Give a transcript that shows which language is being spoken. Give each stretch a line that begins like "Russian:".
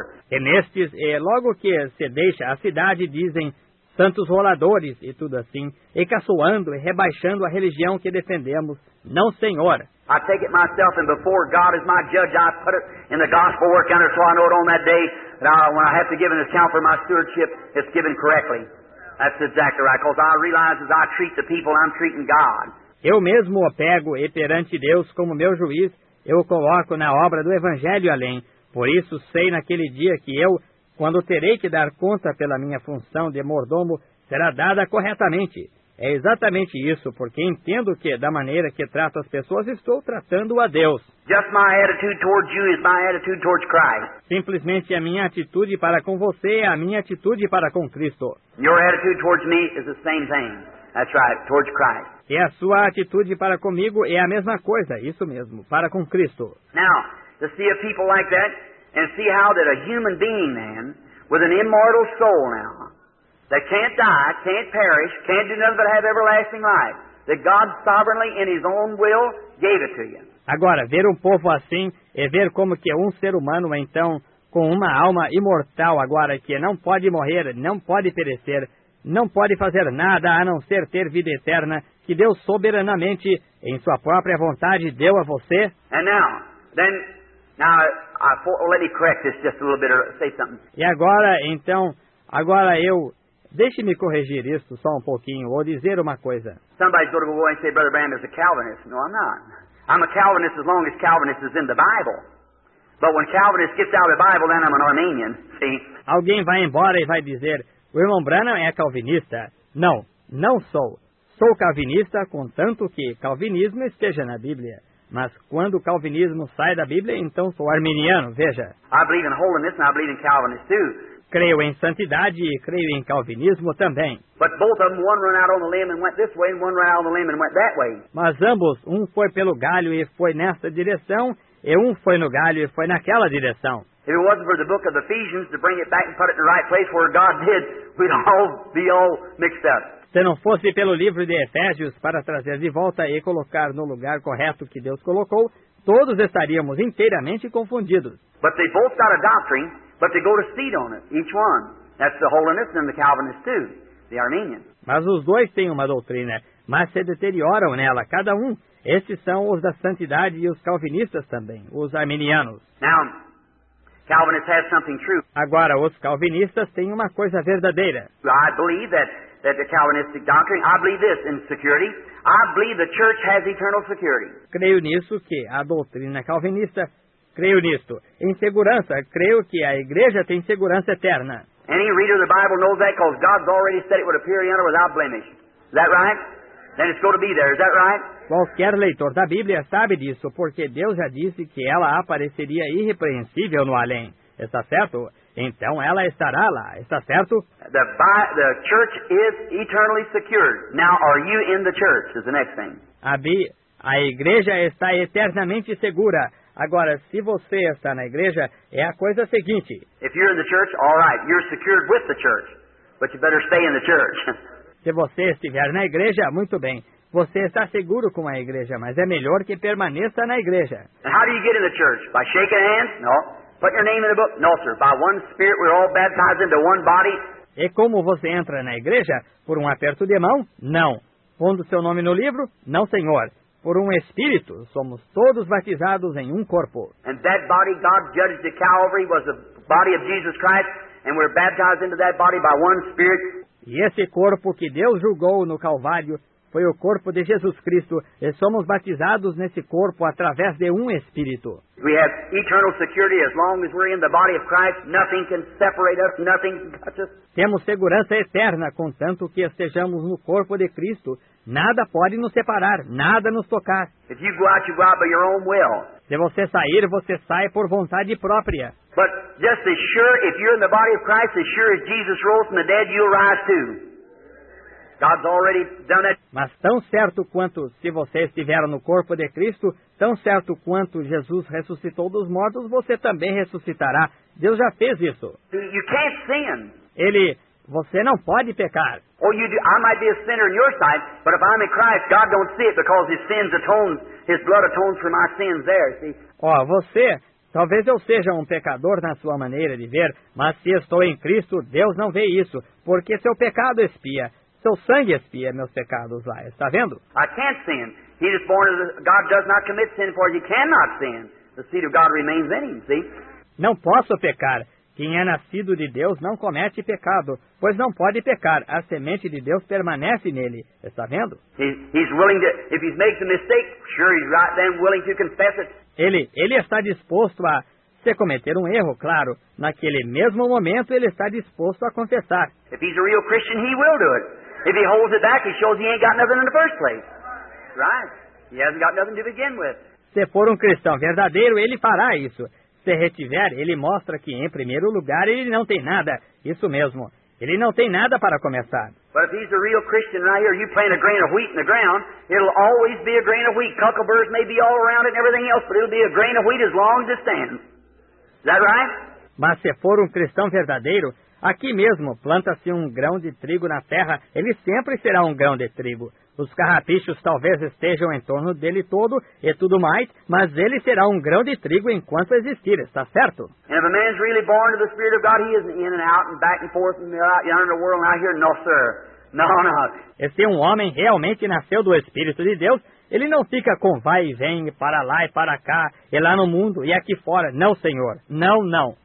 Portuguese: E nestes, logo que se deixa a cidade, dizem santos roladores e tudo assim, e caçoando e rebaixando a religião que defendemos. Não, senhor.
English: I take it myself, and before God is my judge, I put it in the gospel work counter so I know it on that day that when I have to give an account for my stewardship, it's given correctly. That's exactly right, because I realize as I treat the people, I'm treating God.
Portuguese: Eu mesmo o pego, e perante Deus como meu juiz, eu o coloco na obra do Evangelho além. Por isso, sei naquele dia que eu, quando terei que dar conta pela minha função de mordomo, será dada corretamente. É exatamente isso, porque entendo que, da maneira que trato as pessoas, estou tratando a Deus.
English: Just my attitude towards you is my attitude towards Christ.
Portuguese: Simplesmente a minha atitude para com você é a minha atitude para com Cristo.
English: Your attitude towards me is the same thing. That's right, towards Christ.
Portuguese: E a sua atitude para comigo é a mesma coisa, isso mesmo, para com Cristo.
English: Now, to see a people like that, and see how that a human being, man, with an immortal soul now, that can't die, can't perish, can't do nothing but have everlasting life, that God sovereignly, in His own will, gave it to you.
Portuguese: Agora, ver um povo assim é ver como que um ser humano, então, com uma alma imortal agora, que não pode morrer, não pode perecer, não pode fazer nada a não ser ter vida eterna, que Deus soberanamente, em sua própria vontade, deu a você.
English: And now, then, let me correct this just a little bit, or say something.
Portuguese: E agora, então, agora eu... Deixe-me corrigir isto só um pouquinho, ou dizer uma coisa.
English: Somebody's going to go and say Brother Branham is a Calvinist. No, I'm not. I'm a Calvinist as long as Calvinist is in the Bible. But when Calvinist gets out of the Bible, then I'm an Arminian. See?
Portuguese: Alguém vai embora e vai dizer, o irmão Branham é calvinista. Não, não sou. Sou calvinista, contanto que calvinismo esteja na Bíblia. Mas quando o calvinismo sai da Bíblia, então sou arminiano, veja.
English: I believe in holiness and I believe in Calvinist too.
Portuguese: Creio em santidade e creio em calvinismo também.
English: But both of them, one ran out on the limb and went this way, and one ran out on the limb and went that way.
Portuguese: Mas ambos, um foi pelo galho e foi nessa direção, e um foi no galho e foi naquela direção.
English: If it wasn't for the book of Ephesians to bring it back and put it in the right place where God did, we'd all be all mixed up.
Portuguese: Se não fosse pelo livro de Efésios para trazer de volta e colocar no lugar correto que Deus colocou, todos estaríamos inteiramente confundidos.
English: But they both got a doctrine. But they go to seed on it, each one. That's the Holiness and the Calvinist too, the Arminian.
Portuguese: Mas os dois têm uma doutrina, mas se deterioram nela, cada um. Esses são os da santidade e os calvinistas também, os arminianos.
English: Now, Calvinists have something true.
Portuguese: Agora, os calvinistas têm uma coisa verdadeira.
English: I believe that the Calvinistic doctrine, I believe this in security. I believe the church has eternal security.
Portuguese: Creio nisso que a doutrina calvinista... Creio nisto. Em segurança, creio que a igreja tem segurança eterna.
English: Any reader of the Bible knows that because God's already said it would appear in her without blemish. Is that right? Then it's going to be there. Is that right?
Portuguese: Qualquer leitor da Bíblia sabe disso, porque Deus já disse que ela apareceria irrepreensível no além. Está certo? Então ela estará lá. Está certo?
English: The church is eternally secured. Now, are you in the church? Is the next thing.
Portuguese: A igreja está eternamente segura. Agora, se você está na igreja, é a coisa seguinte.
English: If you're in the church, all right, you're secured with the church. But you better stay in the church.
Portuguese: Se você estiver na igreja, muito bem. Você está seguro com a igreja, mas é melhor que permaneça na igreja.
English: And how do you get in the church? By shaking hands? No. Put your name in the book? No, sir. By one spirit, we're all baptized into one body.
Portuguese: E como você entra na igreja? Por um aperto de mão? Não. Pondo seu nome no livro? Não, senhor. Por um espírito, somos todos batizados em um corpo.
English: And that body God judged at Calvary was the body of Jesus Christ, and we're baptized into that body by one spirit.
Portuguese: E esse corpo que Deus julgou no Calvário foi o corpo de Jesus Cristo. E somos batizados nesse corpo através de um Espírito.
English: We have eternal security as long as we're in the body of Christ. Nothing can separate us. Nothing can touch us.
Portuguese: Temos segurança eterna, contanto que estejamos no corpo de Cristo. Nada pode nos separar, nada nos tocar.
English: If you go out, you go out by your own will.
Portuguese: Se você sair, você sai por vontade própria.
English: But just as sure, if you're in the body of Christ, as sure as Jesus rose from the dead, you'll rise too. God's already done it.
Portuguese: Mas tão certo quanto se você estiver no corpo de Cristo, tão certo quanto Jesus ressuscitou dos mortos, você também ressuscitará. Deus já fez isso.
English: You can't sin.
Portuguese: Ele, você não pode pecar.
English: Or you do, I might be a sinner in your sight, but if I'm in Christ, God don't see it because His sins atone, His blood atones for my sins there. See?
Portuguese: Oh, você, talvez eu seja um pecador na sua maneira de ver, mas se estou em Cristo, Deus não vê isso, porque seu pecado expia. Seu sangue expia meus pecados lá, está vendo?
English: I can't sin. He is born as God does not commit sin, for he cannot sin. The seed of God remains in him, see?
Portuguese: Não posso pecar. Quem é nascido de Deus não comete pecado, pois não pode pecar. A semente de Deus permanece nele, está vendo?
English: He's willing to, if he makes a mistake, sure he's right then willing to confess it.
Portuguese: Ele está disposto a, se cometer um erro, claro, naquele mesmo momento ele está disposto a confessar.
English: If he's a real Christian, he will do it. If he holds it back, he shows he ain't got nothing in the first place. Right? He hasn't got nothing to begin with.
Portuguese: Se for um cristão verdadeiro, ele fará isso. Se retiver, ele mostra que, em primeiro lugar, ele não tem nada. Isso mesmo. Ele não tem nada para começar.
English: But if he's a real Christian right here, you plant a grain of wheat in the ground, it'll always be a grain of wheat. Cucklebirds may be all around it and everything else, but it'll be a grain of wheat as long as it stands. Is that right?
Portuguese: Mas se for um cristão verdadeiro, aqui mesmo, planta-se um grão de trigo na terra, ele sempre será um grão de trigo. Os carrapichos talvez estejam em torno dele todo e tudo mais, mas ele será um grão de trigo enquanto existir, está certo?
English: And if a man's really born of the Spirit of God, he isn't in and out and back and forth and out yonder in the world and out here, no sir, no, no.
Portuguese: E se um homem realmente nasceu do Espírito de Deus, ele não fica com vai e vem, para lá e para cá, e lá no mundo e aqui fora, não senhor, não, não.